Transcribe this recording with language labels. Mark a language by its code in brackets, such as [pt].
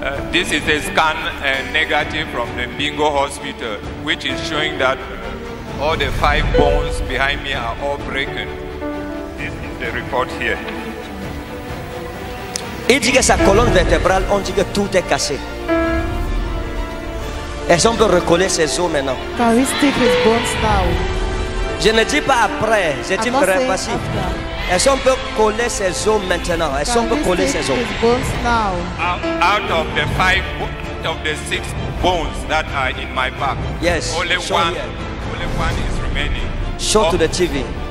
[en] This is a scan negative from the Bingo Hospital, which is showing that all the five bones behind me are all broken. This is the report here. [fr] Il dit que sa colonne vertébrale, on dit que tout est cassé. Est-ce qu'on peut recoller ses os maintenant? [en] Can we stick his bones now? [fr] Je ne dis pas après, je dis après, voici. Est-ce qu'on peut coller ses os maintenant? Est-ce qu'on peut coller ses os? [en] Out of the five, of the six bones that are in my back, yes, only one is remaining. Show to the TV.